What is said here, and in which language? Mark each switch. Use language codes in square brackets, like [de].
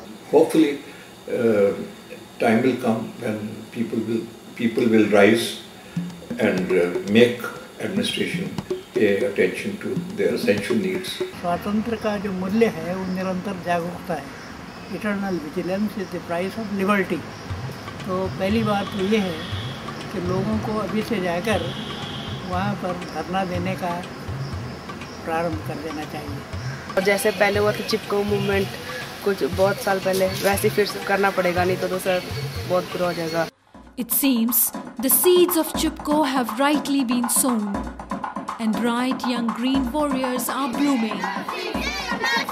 [en] Hopefully, time will come when people will rise and make administration pay attention to their essential needs. [hi] Swatantra ka jo mulya hai, wo nirantar jagrukta hai. [en] Eternal vigilance is the price of liberty. [hi] तो पहली बात तो ये है कि लोगों को अभी से जाकर वहाँ पर धरना देने का प्रारंभ कर देना चाहिए. और जैसे पहले हुआ कि चिपको मूवमेंट कुछ बहुत साल पहले, वैसे फिर से करना पड़ेगा, नहीं तो दूसरा बहुत बुरा हो जाएगा. [en] It seems the seeds of Chipko have rightly been sown and bright young green warriors are blooming.